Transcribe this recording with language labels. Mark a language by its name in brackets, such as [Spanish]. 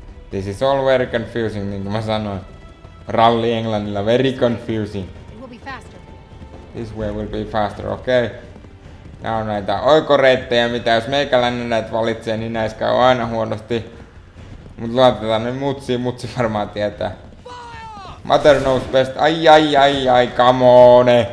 [English] This is all very confusing, [Finnish] niin kuin mä sanoin. Ralli Englannilla, [English] very confusing. This way will be faster, okei. Okay. [Finnish] Nää on näitä oikoreittejä, mitä jos meikäläinen näitä valitsee, niin näis käy aina huonosti. Mut luotetaan ne mutsi varmaan tietää. [English] Mother knows best, ai, come on!